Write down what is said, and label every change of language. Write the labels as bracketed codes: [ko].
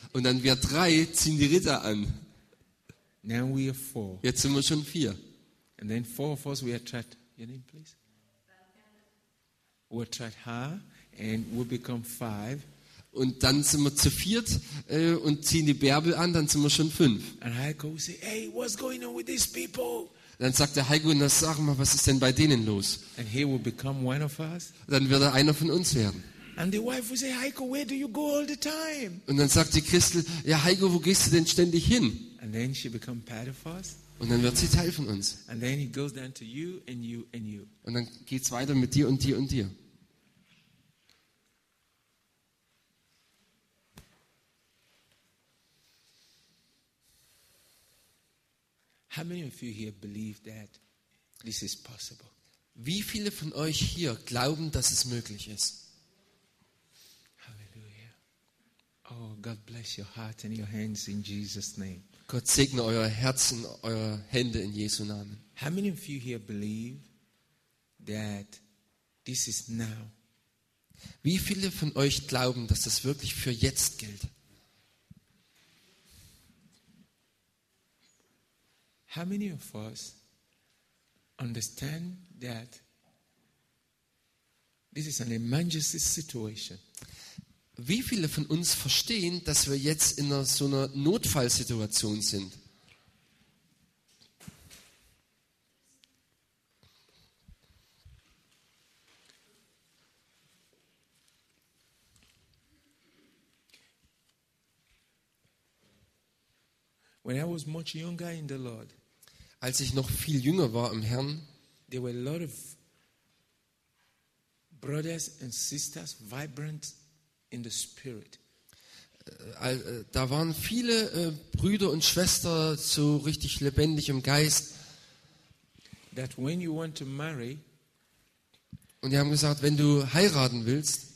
[de] Und dann wir drei ziehen die Rita an. [en] Now we are four. [de] Jetzt sind wir schon vier. [en] And then four of us we attract. Your name, please. We attract her, and we become five. [de] Und dann sind wir zu viert und ziehen die Bärbel an, dann sind wir schon fünf. [en] And Heiko will say, hey, what's going on with these people? [de] Dann sagt der Heiko, na sag mal, was ist denn bei denen los? [en] And he will become one of us. [de] Dann wird er einer von uns werden. [en] And the wife will say, Heiko, where do you go all the time? [de] Und dann sagt die Christel, ja Heiko, wo gehst du denn ständig hin? [en] And then she become part of us. [de] Und dann wird sie Teil von uns. [en] And then it goes down to you and you and you. [de] Und dann geht's weiter mit dir und dir und dir. [en] How many of you here believe that this is possible? [de] Wie viele von euch hier glauben, dass es möglich ist? [en] Hallelujah. Oh, God bless your heart and your hands in Jesus' name. [de] Gott segne euer Herzen, eure Hände in Jesu Namen. [en] How many of you here believe that this is now? [de] Wie viele von euch glauben, dass das wirklich für jetzt gilt? [en] How many of us understand that this is an emergency situation? [de] Wie viele von uns verstehen, dass wir jetzt in so einer Notfallsituation sind? [en] When I was much younger in the Lord, [de] als ich noch viel jünger war im Herrn, [en] there were a lot of brothers and sisters vibrant in the spirit. [de] Da waren viele Brüder und Schwestern so richtig lebendig im Geist. [en] That when you want to marry, [de] und die haben gesagt, wenn du heiraten willst,